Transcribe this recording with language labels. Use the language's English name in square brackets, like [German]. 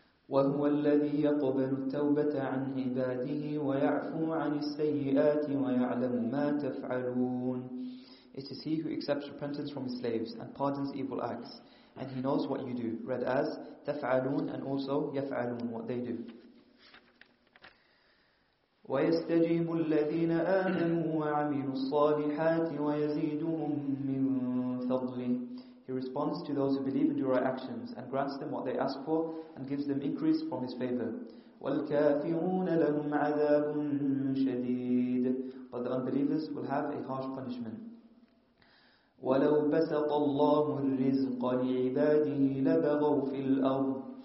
[Arabic] وهو الذي يقبل التوبة عن عباده ويعفو عن السيئات ويعلم ما تفعلون. [English] It is He who accepts repentance from His slaves and pardons evil acts, and He knows what you do. Read as تفعلون and also يفعلون, what they do. [Arabic] ويستجيب الذين آمنوا وعملوا الصالحات ويزيدهم من فضله. [English] He responds to those who believe and do right actions and grants them what they ask for and gives them increase from His favor. [Arabic] وَالْكَافِرُونَ لَهُمْ عَذَابٌ شَدِيدٌ. [English] But the unbelievers will have a harsh punishment. [Arabic] وَلَوْ بَسَطَ اللَّهُ الرِّزْقَ لِعِبَادِهِ لَبَغَوْا فِي الْأَرْضِ.